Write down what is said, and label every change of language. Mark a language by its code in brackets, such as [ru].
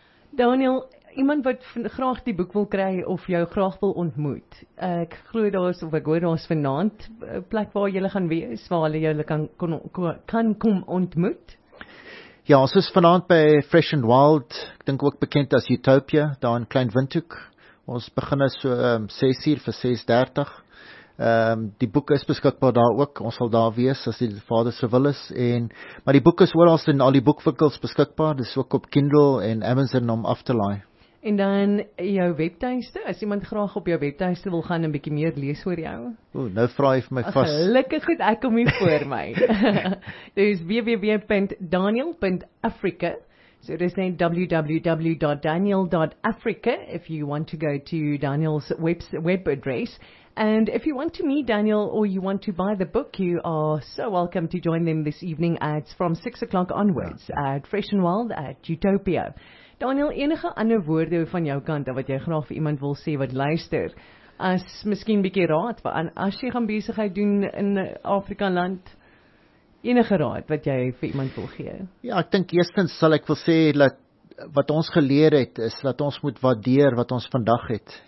[af] Daniel, iemand wat graag die boek wil kry of jou graag wil ontmoet. Ek glo daar's of ek hoor daar's vanaand 'n plek waar jy gaan wees waar hulle jou kan kom ontmoet. Ja, ons is vanaand by Fresh and Wild, ek dink ook bekend as Utopia, daar in Klein Windhoek. Ons begin is so 6:00 vir 6:30. Die boek is beskikbaar daar ook. Ons sal daar wees as die Vader se wil is. Maar die boek is oral in al die boekwinkels beskikbaar. Dis ook op Kindle en Amazon om af te laai. En dan jou webtuiste. As iemand graag op jou webtuiste wil gaan en 'n bietjie meer lees oor jou. Ooh, nou vra hy vir my vas. Gelukkig goed, ek kom hier voor my. Dis www.daniel.africa. [en] So it is named www.daniel.africa if you want to go to Daniel's web address. And if you want to meet Daniel or you want to buy the book, you are so welcome to join them this evening at from 6:00 onwards at Fresh and Wild at Utopia. [af] Daniel, enige ander woorde van jou kant wat jy graag vir iemand wil sê wat luister? As miskien 'n bietjie raad vir as jy gaan besigheid doen in Afrika land? Enige raad wat jy vir iemand wil gee? Ja, ek dink eerstens sal ek wil sê dat wat ons geleer het is dat ons moet waardeer wat ons vandag het.